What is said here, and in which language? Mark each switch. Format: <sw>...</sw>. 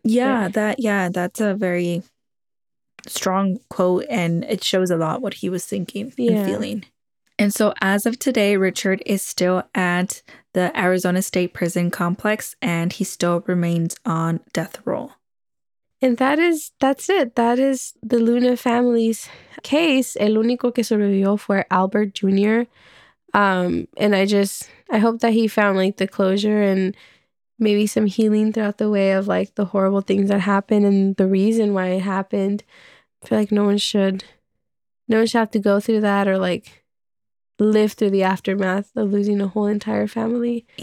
<en>Yeah, that's a very strong quote, and it shows a lot what he was thinking and feeling. And so as of today, Richard is still at the Arizona State Prison Complex, and he still remains on death row. And that's it. That is the Luna family's case.</en> <es>El único que sobrevivió fue Albert Jr.</es> <en>And I hope that he found, like, the closure and maybe some healing throughout the way of, like, the horrible things that happened and the reason why it happened. I feel like no one should have to go through that or, like, live through the aftermath of losing a whole entire family.</en>